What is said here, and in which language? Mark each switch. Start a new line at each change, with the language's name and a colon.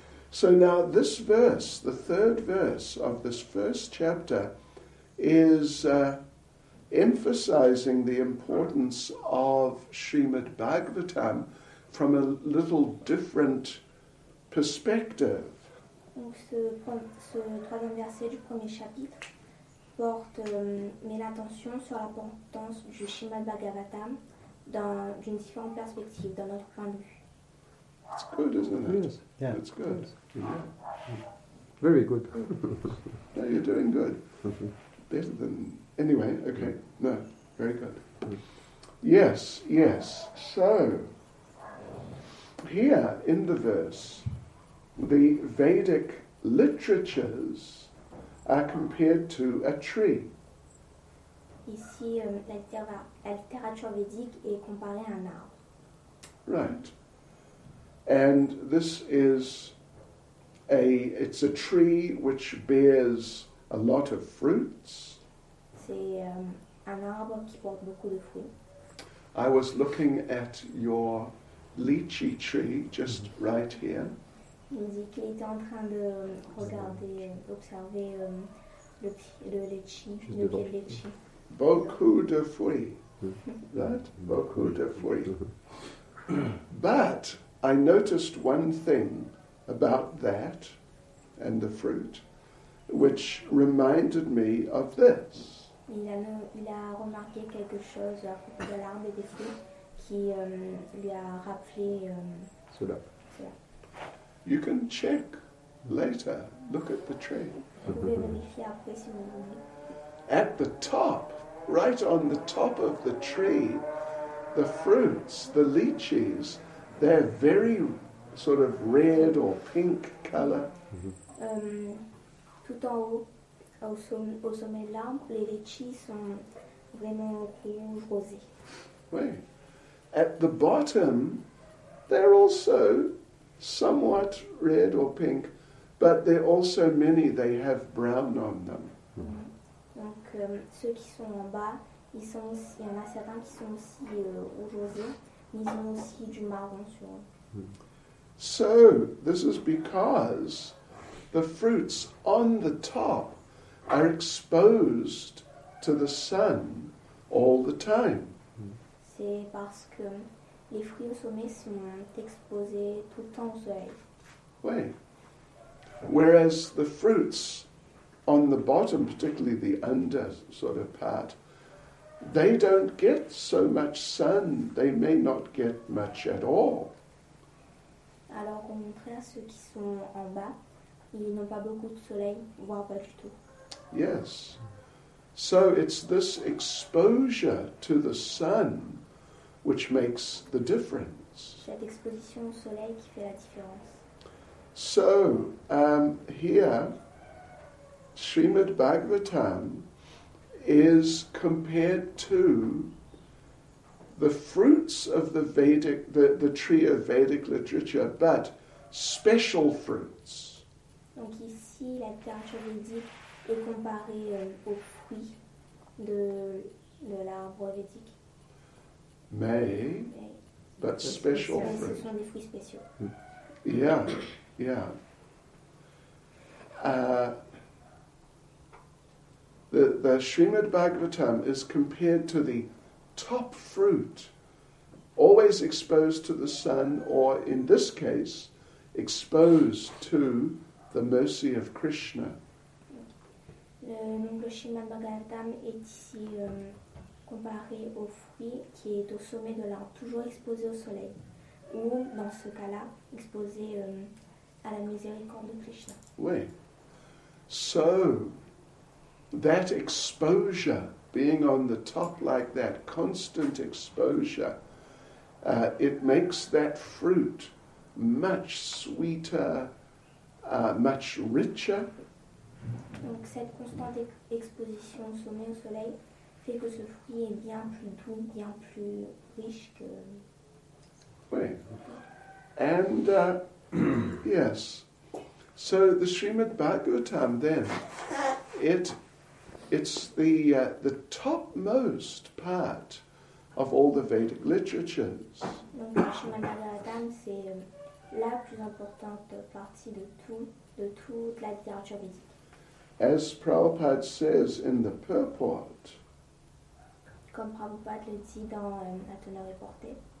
English: So now this verse, the third verse of this first chapter, is emphasizing the importance of Srimad Bhagavatam from a little different perspective.
French: Donc ce troisième verset du premier chapitre porte met l'attention sur l'importance du Srimad Bhagavatam d'une différente perspective, d'un autre point de vue.
English: It's good, isn't it? Yes. Yeah. It's good. Yeah. Very good. No, you're doing good. Better than... Anyway, okay. No, very good. Yes, yes. So, here in the verse, the Vedic literatures are compared to a tree.
French: Ici, la littérature védique est comparée à un arbre.
English: Right. And this is it's a tree which bears a lot of fruits.
French: C'est un arbre qui porte beaucoup de fruits.
English: I was looking at your lychee tree just right here.
French: Il dit qu'il était en train de regarder, observer le lychee, le pied de lychee. Beaucoup de fruits.
English: That?
French: Beaucoup de fruits.
English: But I noticed one thing about that and the fruit, which reminded me of this.
French: Il a remarqué quelque chose à propos de l'arbre et des fruits qui lui a rappelé cela.
English: You can check later. Look at the tree.
French: Vous pouvez vérifier après si vous voulez.
English: At the top, right on the top of the tree, the fruits, the lychees, they're very sort of red or pink color. Mm-hmm.
French: Tout en haut, au sommet de l'arbre, les lychees sont vraiment rouge rosé. Oui.
English: At the bottom, they're also somewhat red or pink, but they're also many, they have brown on them. Mm-hmm.
French: Donc, ceux qui sont en bas, ils sont aussi, il y en a certains qui sont aussi rouge rosé. Ils ont aussi du marron sur eux.
English: So, this is because the fruits on the top are exposed to the sun all the time.
French: C'est parce que les fruits au sommet sont exposés tout le temps au soleil. Oui.
English: Whereas the fruits on the bottom, particularly the under sort of part, they don't get so much sun. They may not get much at all.
French: Alors, au contraire, ceux qui sont en bas, ils n'ont pas beaucoup de soleil, voire pas du tout.
English: Yes. So it's this exposure to the sun which makes the difference.
French: Cette exposition au soleil qui fait la différence.
English: So, here, Srimad Bhagavatam is compared to the fruits of the Vedic, the tree of Vedic literature, but special fruits.
French: Donc ici, la littérature védique est comparée aux fruits de l'arbre védique. Mais,
English: but special fruits.
French: Ce sont des fruits spéciaux.
English: Yeah, yeah. The Srimad Bhagavatam is compared to the top fruit, always exposed to the sun, or in this case, exposed to the mercy of Krishna.
French: Le Srimad Bhagavatam est ici comparé au fruit qui est au sommet de l'arbre, toujours exposé au soleil, ou dans ce cas-là, exposé à la miséricorde de Krishna. Oui.
English: So, that exposure, being on the top like that, constant exposure, it makes that fruit much sweeter, much richer.
French: Donc cette constante exposition au sommet au soleil fait que ce fruit est bien plus doux, bien plus riche que... Oui.
English: And, yes. So the Srimad Bhagavatam then, it's the topmost part of all the Vedic literatures.
French: Donc le Srimad Bhagavatam, c'est la plus importante partie de toute la littérature védique.
English: As Prabhupada says in the purport.
French: Comme Prabhupada le dit dans la teneur reportée.